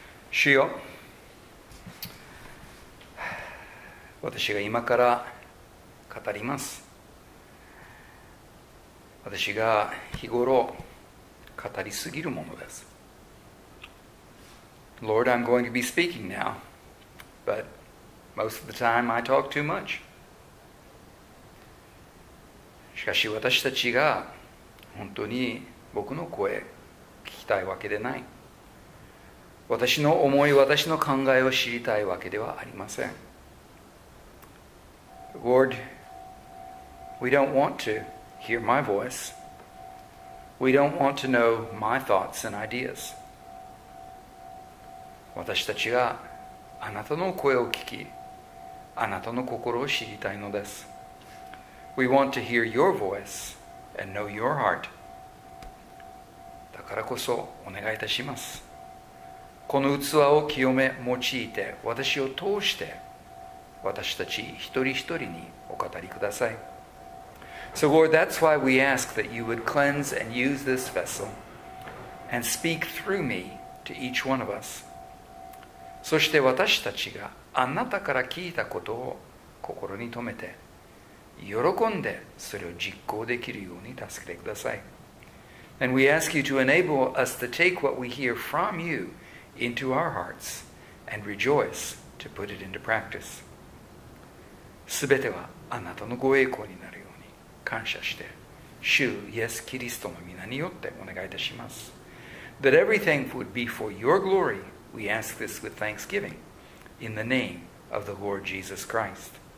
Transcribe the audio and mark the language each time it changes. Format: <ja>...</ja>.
<ja>主よ、私が今から語ります。私が日頃語りすぎるものです。</ja> <en>Lord, I'm going to be speaking now, but most of the time I talk too much.</en> <ja>しかし私たちが本当に僕の声聞きたいわけでない。私の思い、私の考えを知りたいわけではありません。</ja> <en>Lord, we don't want to hear my voice. We don't want to know my thoughts and ideas.</en> <ja>私たちがあなたの声を聞き、あなたの心を知りたいのです。</ja> <en>We want to hear your voice and know your heart.</en> <ja>だからこそお願いいたします。この器を清め用いて、私を通して私たち一人一人にお語りください。</ja> <en>So Lord, that's why we ask that you would cleanse and use this vessel and speak through me to each one of us.</en> <ja>そして私たちがあなたから聞いたことを心に留めて、喜んでそれを実行できるように助けてください。</ja> <en>And we ask you to enable us to take what we hear from you into our hearts and rejoice to put it into practice.</en> <ja>すべてはあなたのご栄光になるように感謝して、主イエス・キリストの御名によってお願いいたします。</ja> <en>That everything would be for your glory, we ask this with thanksgiving in the name of the Lord Jesus Christ.</en>